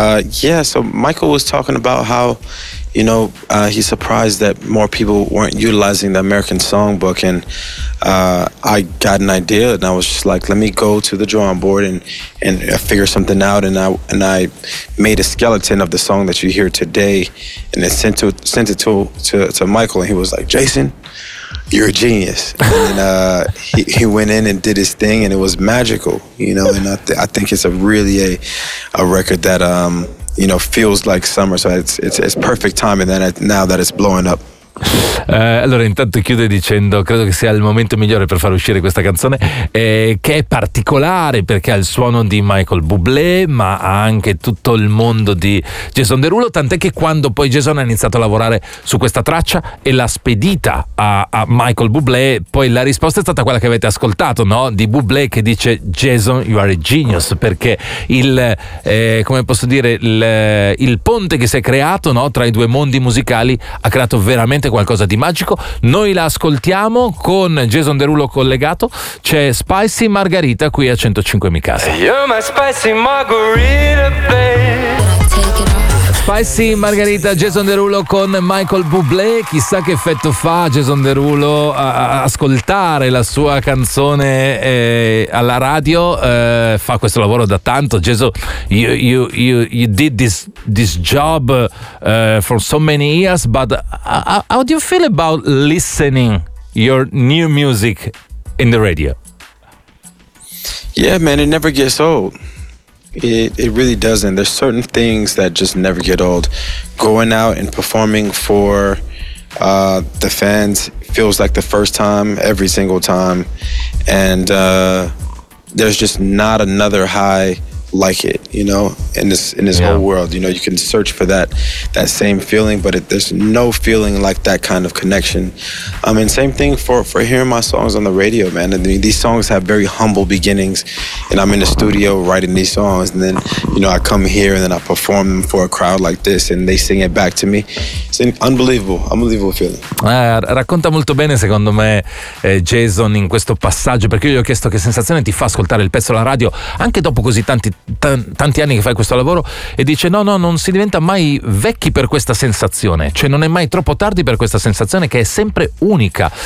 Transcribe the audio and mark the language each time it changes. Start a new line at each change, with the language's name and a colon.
English: So Michael was talking about how, you know, he's surprised that more people weren't utilizing the American Songbook, and I got an idea, and I was just like, let me go to the drawing board and figure something out, and I made a skeleton of the song that you hear today, and then sent it to Michael, and he was like, Jason, you're a genius. And he went in and did his thing, and it was magical, you know. And I think it's a really a record that you know, feels like summer. So it's perfect timing that now that it's blowing up.
Italian: Allora intanto chiude dicendo: credo che sia il momento migliore per far uscire questa canzone, che è particolare perché ha il suono di Michael Bublé, ma ha anche tutto il mondo di Jason Derulo, tant'è che quando poi Jason ha iniziato a lavorare su questa traccia e l'ha spedita a Michael Bublé, poi la risposta è stata quella che avete ascoltato, no? Di Bublé che dice:
English: Jason, you are a genius,
Italian: perché il ponte che si è creato, no, tra i due mondi musicali ha creato veramente qualcosa di magico. Noi la ascoltiamo con Jason Derulo collegato, c'è Spicy Margarita qui a 105 Mi Casa.
English: You're my spicy margarita, babe.
Italian: Spicy Margarita, Jason Derulo con Michael Bublé. Chissà che effetto fa Jason Derulo a ascoltare la sua canzone alla radio. Fa questo lavoro da tanto.
English: Jason, you did this job for so many years, but how do you feel about listening your new music in the radio? Yeah, man, it never gets old. It really doesn't. There's certain things that just never get old. Going out and performing for the fans feels like the first time every single time. And there's just not another high like it, you know, in this whole world. You know, you can search for that same feeling, but there's no feeling like that kind of connection. And same thing for hearing my songs on the radio, man. I mean, these songs have very humble beginnings, and I'm in the studio writing these songs, and then, you know, I come here and then I perform them for a crowd like this, and they sing it back to me. It's an unbelievable feeling.
Italian: Racconta molto bene, secondo me, Jason, in questo passaggio, perché io gli ho chiesto che sensazione ti fa ascoltare il pezzo alla radio anche dopo così tanti anni che fai questo lavoro, e dice: no, non si diventa mai vecchi per questa sensazione, cioè non è mai troppo tardi per questa sensazione, che è sempre unica.